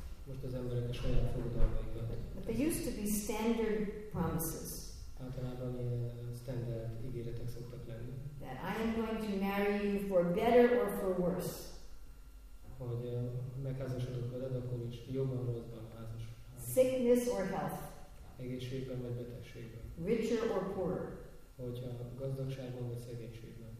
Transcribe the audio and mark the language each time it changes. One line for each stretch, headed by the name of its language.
Hungarian: Most az emberek a saját fogadalmaikat.
English: But they used to be standard promises.
Hungarian: Általában ilyen standard ígéretek szoktak lenni.
English: That I am going to marry you for better or for worse.
Hungarian: Hogy megházasodok veled, akkor is jobban, rosszban házas.
English: Sickness or health.
Hungarian: Egészségben vagy betegségben.
English: Richer or poorer.
Hungarian: Hogyha gazdagságban vagy szegénységben.